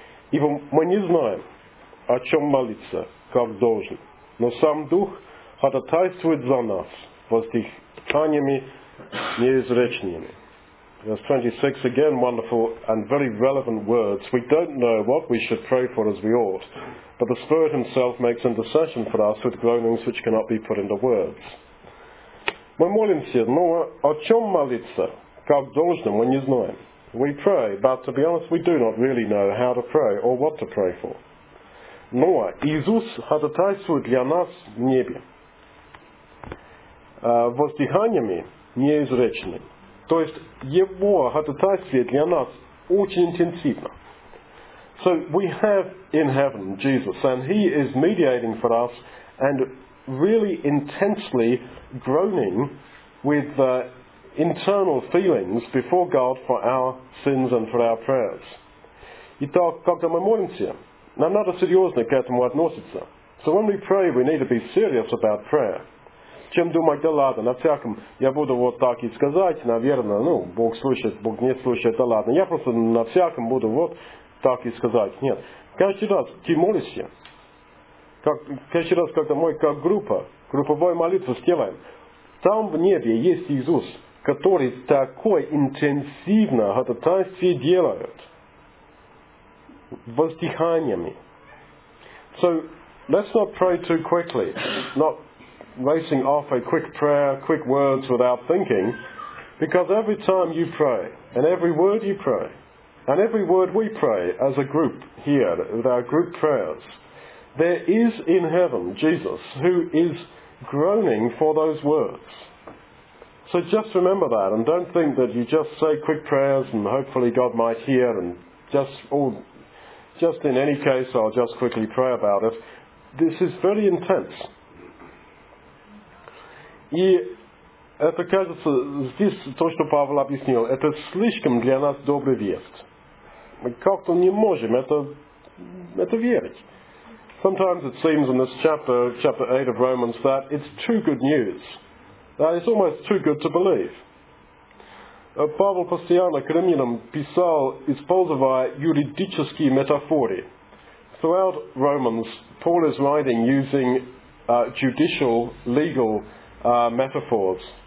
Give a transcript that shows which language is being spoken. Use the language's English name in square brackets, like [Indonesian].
[Russian] Ибо мы не знаем, о чем молиться, как должен. Но сам Дух ходатайствует за нас воздыханиями неизреченными. [English] Verse 26, again, wonderful and very relevant words. We don't know what we should pray for as we ought, but the Spirit himself makes intercession for us with groanings which cannot be put into words. [Russian] Мы молимся, но о чем молиться, как должно, мы не знаем. [English] We pray, but to be honest, we do not really know how to pray or what to pray for. [Russian] Но Иисус ходатайствует для нас в небе воздыханиями неизреченными. То есть Его ходатайствие для нас очень интенсивно. [English] So we have in heaven Jesus, and He is mediating for us and really intensely groaning with internal feelings before God for our sins and for our prayers. [Russian] Итак, когда мы молимся, нам надо серьезно к этому относиться. [English] So when we pray, we need to be serious about prayer. [Russian] Чем думать, да ладно, на всяком, я буду вот так и сказать, наверное, ну, Бог слушает, Бог не слушает, да ладно, я просто на всяком буду вот так и сказать. Нет. Каждый раз ты молишься, каждый раз, когда мы как групповую молитву сделаем, там в небе есть Иисус, который такое интенсивно ходатайствие делает воздыханиями. [English] So, let's not pray too quickly, not racing off a quick prayer, quick words without thinking, because every time you pray, and every word you pray, and every word we pray as a group here, with our group prayers, there is in heaven Jesus who is groaning for those words. So just remember that and don't think that you just say quick prayers and hopefully God might hear and just in any case I'll just quickly pray about it. This is very intense. [Russian] И это кажется, здесь то, что Павел объяснил, это слишком для нас добрый вест. Мы как-то не можем это верить. [English] Sometimes it seems in this chapter 8 of Romans, that it's too good news. That it's almost too good to believe. [Russian] Павел постоянно к римлянам писал, используя юридические метафоры. В [English] throughout Romans, Paul is writing using judicial, legal metaphors.